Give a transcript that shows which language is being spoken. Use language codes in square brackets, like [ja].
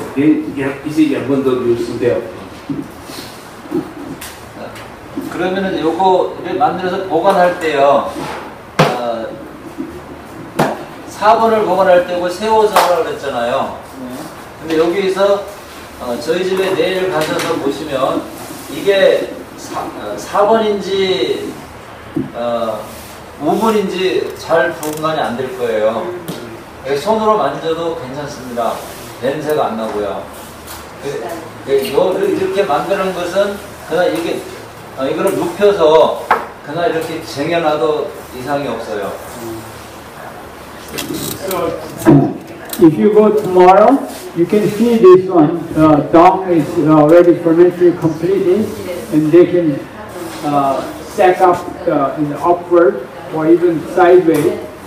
[zh] 温度超过60度以后，就有些养分会，有些那个有益的微生物就开始死亡。到了温度高达70度以后，连一些养分都流失掉。 [ko] 그러면은 요거 만들어서 보관할 때요, 사분을 보관할 때고 세워서라 그랬잖아요. 근데 여기서 저희 집에 내일 가셔서 보시면 이게 사분인지 우분인지 잘 분간이 안 될 거예요. 손으로 만져도 괜찮습니다. 냄새가 안 나고요. 요를 이렇게 만드는 것은 그냥 이게 이거를 눕혀서 그냥 이렇게 쟁여놔도 이상이 없어요. [en] So, if you go tomorrow, you can see this one. The dog is already fermented completely, and they can stack up the, in the upward or even sideways.